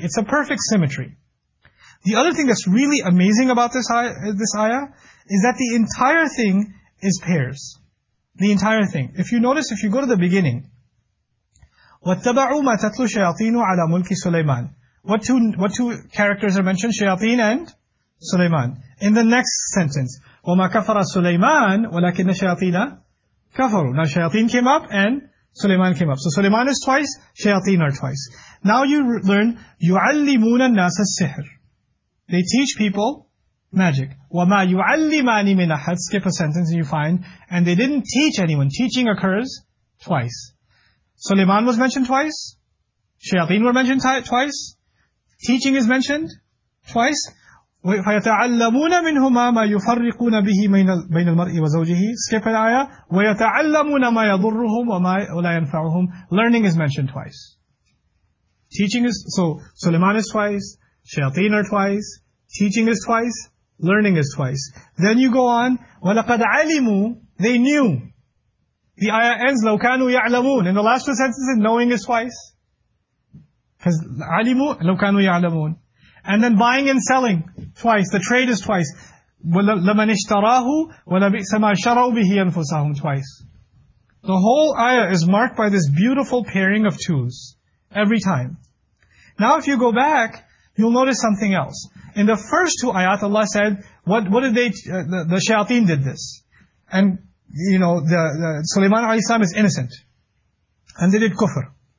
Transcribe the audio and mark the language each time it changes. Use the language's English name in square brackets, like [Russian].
[English] It's a perfect symmetry. The other thing that's really amazing about this ayah is that the entire thing is pairs. The entire thing. If you notice, if you go to the beginning, [Arabic] وَاتَّبَعُوا مَا تَتْلُوا شَيَاطِينُ عَلَى مُلْكِ سُلَيْمَانِ. [English] What two characters are mentioned? Shayateen and Sulaiman. In the next sentence, [Arabic] وَمَا كَفَرَ سُلَيْمَانِ وَلَكِنَّ شَيَاطِينَ كَفَرُوا. [English] Now Shayateen came up and Sulaiman came up. So Sulaiman is twice, Shayateen are twice. Now you learn, [Arabic] يُعَلِّمُونَ النَّاسَ السِّحْرِ. [English] They teach people magic. [Arabic] وَمَا يُعَلِّمَانِ مِنْ أَحَدٍ. [English] Skip a sentence and you find, and they didn't teach anyone. Teaching occurs twice. Sulaiman was mentioned twice. Shayateen were mentioned twice. Teaching is mentioned twice. [Arabic] وَيَتَعَلَّمُونَ مِنْهُمَا مَا يُفَرِّقُونَ بِهِ بَيْنَ الْمَرْءِ وَزَوْجِهِ. [English] Skip an ayah. [Arabic] وَيَتَعَلَّمُونَ مَا يَضُرُّهُمْ وَمَا لَا يَنْفَعُهُمْ. [English] Learning is mentioned twice. Teaching is, so Sulaiman is twice, Shayateen are twice, teaching is twice, learning is twice. Then you go on, [Arabic] وَلَقَدْ عَلِمُوا. [English] They knew. The ayah ends, [Arabic] لَوْ كَانُوا يَعْلَمُونَ. [English] In the last two sentences, knowing is twice. Because alimu [Arabic] لو كانوا يعلمون, [English] and then buying and selling twice, the trade is twice. [Arabic] لمن اشتراه ولبئس ما شروا به أنفسهم [English] twice. The whole ayah is marked by this beautiful pairing of twos every time. Now, if you go back, you'll notice something else. In the first two ayat, Allah said, "What did they? The shayateen did this, and you know the Sulaiman alayhi salam is innocent, and they did kufr.